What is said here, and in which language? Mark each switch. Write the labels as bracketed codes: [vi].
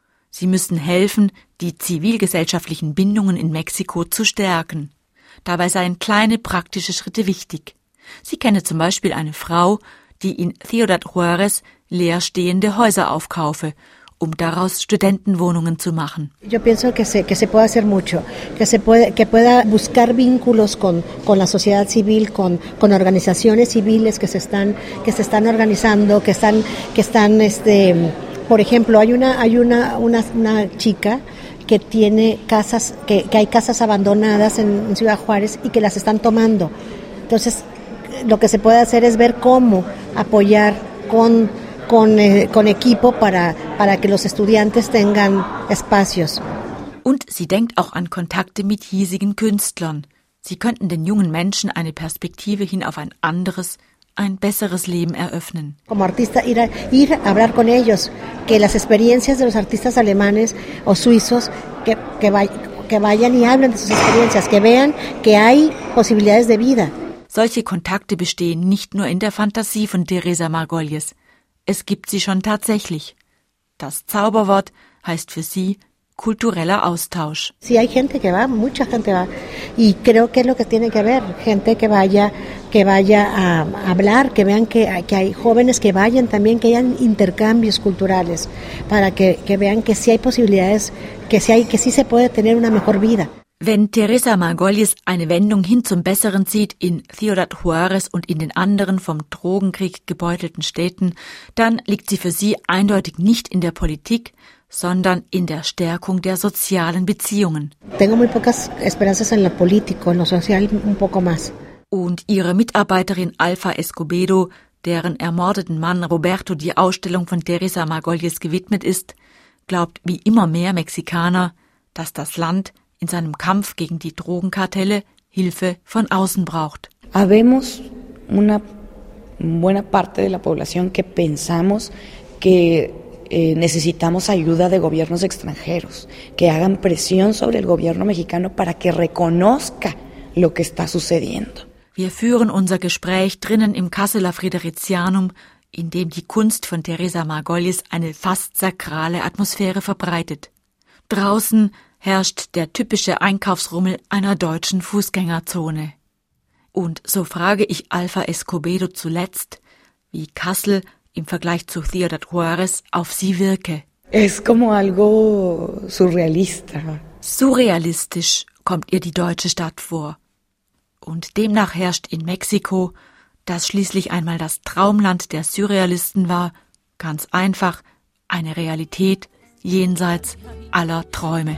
[de] Sie müssen helfen, die zivilgesellschaftlichen Bindungen in Mexiko zu stärken. Dabei seien kleine praktische Schritte wichtig. Sie kenne zum Beispiel eine Frau, die in Ciudad Juárez leerstehende Häuser aufkaufe, um daraus Studentenwohnungen zu machen. [es] Yo pienso que se puede hacer mucho, que pueda buscar vínculos con la sociedad civil, con organizaciones civiles que se están organizando, que están por ejemplo, hay una chica que tiene casas que hay casas abandonadas en Ciudad Juárez y que las están tomando. Entonces, lo que se puede hacer es ver cómo apoyar con equipo para que los estudiantes tengan espacios. [de] Und sie denkt auch an Kontakte mit hiesigen Künstlern. Sie könnten den jungen Menschen eine Perspektive hin auf ein anderes, ein besseres Leben eröffnen. [es] Como artista ir a hablar con ellos, que las experiencias de los artistas alemanes o suizos que vayan y hablen de sus experiencias, que vean que hay posibilidades de vida. [de] Solche Kontakte bestehen nicht nur in der Fantasie von Teresa Margolyes. Es gibt sie schon tatsächlich. Das Zauberwort heißt für sie kultureller Austausch. [es] Sí, hay gente que va, mucha gente va. Y creo que es lo que tiene que ver. Gente que vaya a hablar, que vean que hay jóvenes que vayan también, que hayan intercambios culturales, para que vean que sí hay posibilidades, que sí se puede tener una mejor vida. [de] Wenn Teresa Margolyes eine Wendung hin zum Besseren sieht in Ciudad Juárez und in den anderen vom Drogenkrieg gebeutelten Städten, dann liegt sie für sie eindeutig nicht in der Politik, sondern in der Stärkung der sozialen Beziehungen. [es] Tengo muy pocas esperanzas en lo político, en lo social un poco más. [de] Und ihre Mitarbeiterin Alfa Escobedo, deren ermordeten Mann Roberto die Ausstellung von Teresa Margolyes gewidmet ist, glaubt wie immer mehr Mexikaner, dass das Land in seinem Kampf gegen die Drogenkartelle Hilfe von außen braucht. [es] Habemos una buena parte de la población que pensamos que necesitamos ayuda de gobiernos extranjeros, que hagan presión sobre el gobierno mexicano para que reconozca lo que está sucediendo. [de] Wir führen unser Gespräch drinnen im Kasseler Fridericianum, in dem die Kunst von Teresa Margolyes eine fast sakrale Atmosphäre verbreitet. Draußen herrscht der typische Einkaufsrummel einer deutschen Fußgängerzone. Und so frage ich Alfa Escobedo zuletzt, wie Kassel im Vergleich zu Ciudad Juárez auf sie wirke. [es] Es como algo surrealista. [de] Surrealistisch kommt ihr die deutsche Stadt vor. Und demnach herrscht in Mexiko, das schließlich einmal das Traumland der Surrealisten war, ganz einfach eine Realität jenseits aller Träume.